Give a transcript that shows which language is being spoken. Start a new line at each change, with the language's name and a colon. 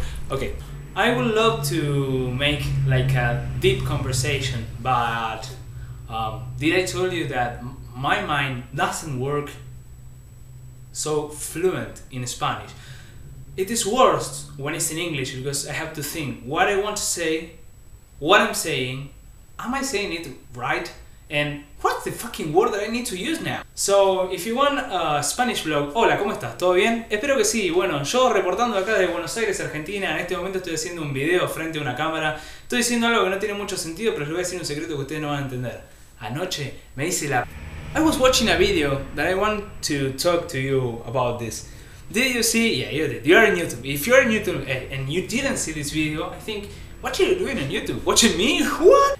English: Okay, I would love to make like a deep conversation, but did I tell you that my mind doesn't work so fluent in Spanish? It is worse when it's in English, because I have to think what I want to say, what I'm saying, am I saying it right, and what's the fucking word that I need to use now? So, if you want a Spanish blog,
Spanish: hola, ¿cómo estás? ¿Todo bien? Espero que sí. Bueno, yo reportando acá de Buenos Aires, Argentina, en este momento estoy haciendo un video frente a una cámara. Estoy diciendo algo que no tiene mucho sentido, pero les voy a decir un secreto que ustedes no van a entender. Anoche me hice la...
English: I was watching a video that I want to talk to you about this. Did you see? Yeah, you did. You're on YouTube. If you're on YouTube and you didn't see this video, I think, what are you doing on YouTube? Watching me? What?